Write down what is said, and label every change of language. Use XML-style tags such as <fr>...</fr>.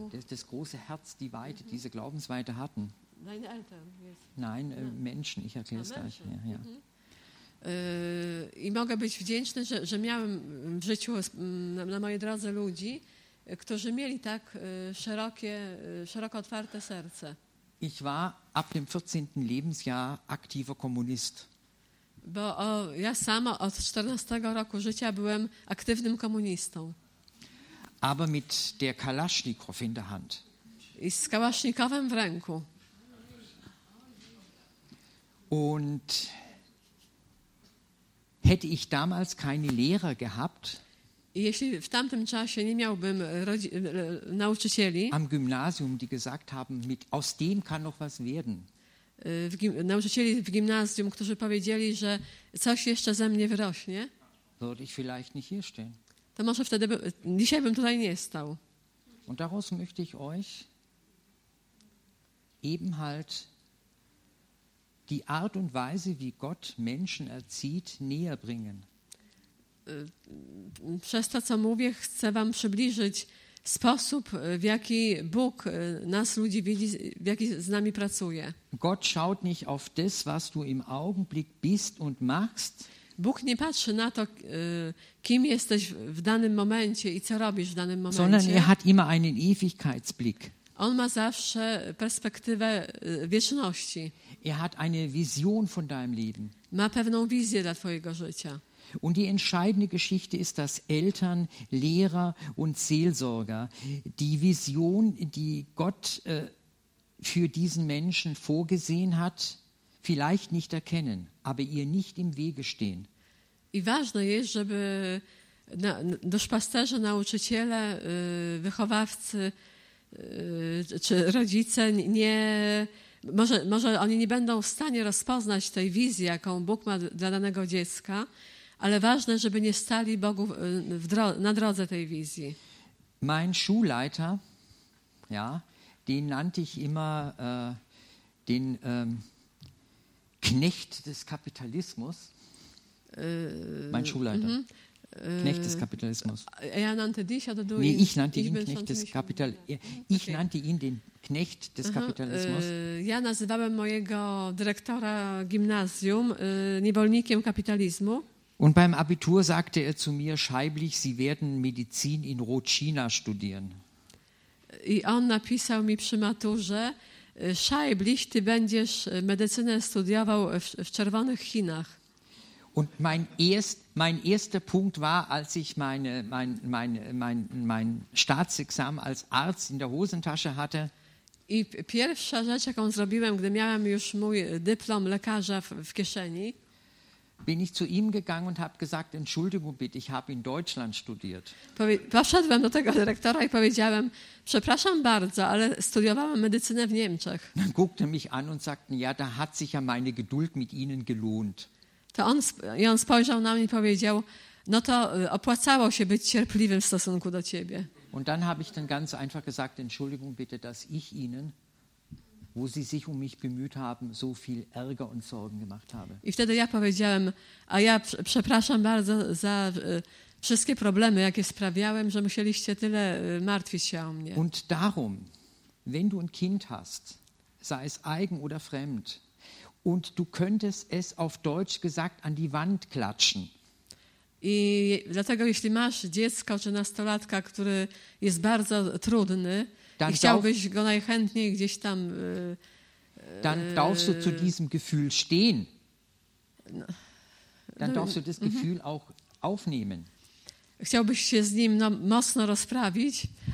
<de>Das große Herz, die Weite, diese Glaubensweite hatten. Deine Eltern,</de> <en>yes.</en> <de>Nein, Menschen, ich erkläre es gleich. Ja, ja.</de> <pl>I mogę być wdzięczny, że miałem w życiu na mojej drodze ludzi, którzy mieli tak szeroko otwarte serce.</pl> <de>Ich war ab dem 14. Lebensjahr aktiver Kommunist.</de> <pl>Bo ja sama od 14 roku życia byłem aktywnym komunistą.</pl> <de>Aber mit der Kalaschnikow in der Hand.</de> <pl>I z Kalaschnikowem w ręku.</pl> <de>Und hätte ich damals keine Lehrer gehabt,</de> <pl>jeśli w tamtym czasie nie miałbym nauczycieli,</pl> <de>am Gymnasium, die gesagt haben, mit aus dem kann noch was werden.</de> <pl>Nauczycieli w gimnazjum, którzy powiedzieli, że coś jeszcze ze mnie wyrośnie,</pl> <de>würde ich vielleicht nicht hier stehen.</de> <pl>To może wtedy dzisiaj bym tutaj nie stał.</pl> <de>Und daraus möchte ich euch eben halt die Art und Weise, wie Gott Menschen erzieht, näher bringen.</de> <pl>Przez to, co mówię, chcę wam przybliżyć sposób, w jaki Bóg nas ludzi widzi, w jaki z nami pracuje.</pl> <de>Gott schaut nicht auf das, was du im Augenblick bist und machst.</de> <pl>Bóg nie patrzy na to, kim jesteś w danym momencie i co robisz w danym momencie.</pl> <de>Sondern er hat immer einen Ewigkeitsblick.</de> <pl>On ma zawsze perspektywę wieczności.</pl> <de>Er hat eine Vision von deinem Leben.</de> <pl>Ma pewną wizję dla twojego życia.</pl> <de>Und die entscheidende Geschichte ist, dass Eltern, Lehrer und Seelsorger die Vision, die Gott für diesen Menschen vorgesehen hat, vielleicht nicht erkennen, aber ihr nicht im Wege stehen.</de> <pl>I ważne jest, żeby duszpasterze, nauczyciele, wychowawcy czy rodzice nie... Może oni nie będą w stanie rozpoznać tej wizji, jaką Bóg ma dla danego dziecka, ale ważne, żeby nie stali Bogu na drodze tej wizji.</pl> <de>Mein Schulleiter, ja, den nannte ich immer den Knecht des Kapitalismus. Mein Schulleiter. Knecht des Kapitalismus. Er nannte dich oder du? Nee, ich nannte ihn Knecht des Kapitalismus. Ich nannte ihn den Knecht des Kapitalismus.</de> <pl>Ja nazywałem mojego dyrektora gimnazjum niewolnikiem kapitalizmu.</pl> <de>Und beim Abitur sagte er zu mir, Scheiblich, Sie werden Medizin in Rotchina studieren.</de> <pl>I on napisał mi przy maturze, Scheiblich, Ty będziesz medycynę studiował w czerwonych Chinach.</pl> <de>Und mein erster Punkt war, als ich mein Staatsexamen als Arzt in der Hosentasche hatte.</de> <pl>I pierwsza rzecz, jaką zrobiłem, gdy miałem już mój dyplom lekarza w kieszeni.</pl> <de>Bin ich zu ihm gegangen und habe gesagt, Entschuldigung bitte, ich habe in Deutschland studiert.</de> <pl>Poszedłem do tego dyrektora i powiedziałem, przepraszam bardzo, ale studiowałem medycynę w Niemczech.</pl> <de>Dann guckte mich an und sagten, ja, da hat sich ja meine Geduld mit Ihnen gelohnt.</de> <pl>I on spojrzał na mnie i powiedział, no to opłacało się być cierpliwym w stosunku do ciebie.</pl> <de>Und dann habe ich dann ganz einfach gesagt, Entschuldigung bitte, dass ich Ihnen, wo Sie sich um mich bemüht haben, so viel Ärger und Sorgen gemacht habe.</de> <pl>I wtedy ja powiedziałem, a ja przepraszam bardzo za wszystkie problemy, jakie sprawiałem, że musieliście tyle martwić się o mnie.</pl> <de>Und darum, wenn du ein Kind hast, sei es eigen oder fremd, und du könntest es auf Deutsch gesagt an die Wand klatschen.</de> <pl>I dlatego, jeśli masz dziecko czy nastolatka, który jest bardzo trudny</pl> <de>dann</de> <pl>i chciałbyś go najchętniej gdzieś tam...</pl> <de>Dann darfst du zu diesem Gefühl stehen. Dann darfst du das Gefühl auch aufnehmen.</de> <pl>Chciałbyś się z nim mocno rozprawić.</pl>